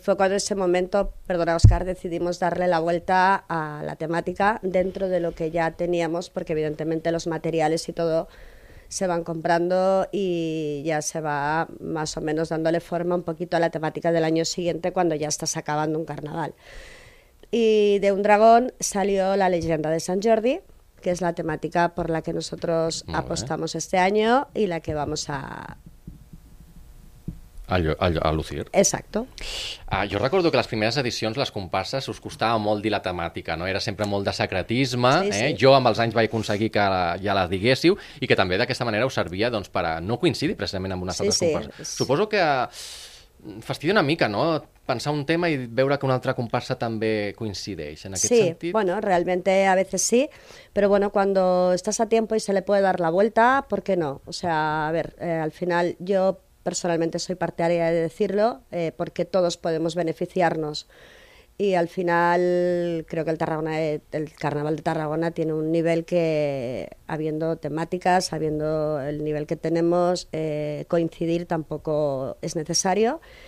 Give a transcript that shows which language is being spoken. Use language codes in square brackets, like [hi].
[es] Fue cuando en ese momento, perdona Oscar, decidimos darle la vuelta a la temática dentro de lo que ya teníamos, porque evidentemente los materiales y todo se van comprando y ya se va más o menos dándole forma un poquito a la temática del año siguiente cuando ya estás acabando un carnaval. Y de un dragón salió la leyenda de San Jordi, que es la temática por la que nosotros muy apostamos bien este año y la que vamos a lucir. Exacto. [ca] Jo recordo que les primeres edicions, les comparses, us costava molt dir la temàtica, no? Era sempre molt de secretisme, sí, eh? Sí. Jo amb els anys vaig aconseguir que ja la diguéssiu i que també d'aquesta manera us servia doncs, per a no coincidir precisament amb unes altres comparses. Suposo que fastidia una mica, no?, pensar un tema i veure que una altra comparsa també coincideix en aquest sí, sentit. [es] Sí, bueno, realmente a veces sí, pero bueno, cuando estás a tiempo y se le puede dar la vuelta, ¿por qué no? O sea, a ver, al final yo personalmente soy partidaria de decirlo porque todos podemos beneficiarnos y al final creo que el Carnaval de Tarragona tiene un nivel que, habiendo temáticas, habiendo el nivel que tenemos, coincidir tampoco es necesario.